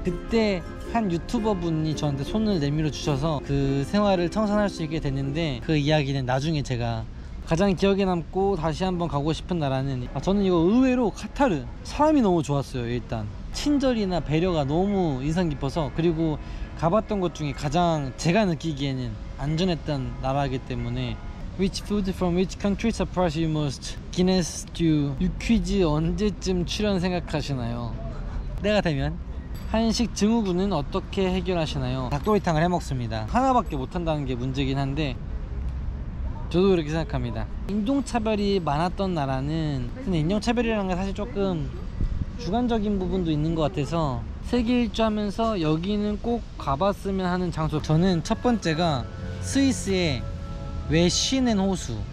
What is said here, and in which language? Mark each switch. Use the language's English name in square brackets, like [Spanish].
[Korean] 그때 한 유튜버 분이 저한테 손을 내밀어 주셔서 그 생활을 청산할 수 있게 됐는데, 그 이야기는 나중에. 제가 가장 기억에 남고 다시 한번 가고 싶은 나라는, 아, 저는 이거 의외로 카타르 사람이 너무 좋았어요. 일단 친절이나 배려가 너무 인상 깊어서, 그리고 가봤던 것 중에 가장 제가 느끼기에는 안전했던 나라이기 때문에. [English] Which food from which country surprised you most? Guinness Stew. [Korean] 유퀴즈 언제쯤 출연 생각하시나요? 내가 되면? 한식 증후군은 어떻게 해결하시나요? 닭도리탕을 해먹습니다. 하나밖에 못한다는 게 문제긴 한데 저도 그렇게 생각합니다. 인종차별이 많았던 나라는 인종차별이라는 게 사실 조금 주관적인 부분도 있는 것 같아서 세계일주하면서 여기는 꼭 가봤으면 하는 장소, 저는 첫 번째가 스위스의 웨시넨호수.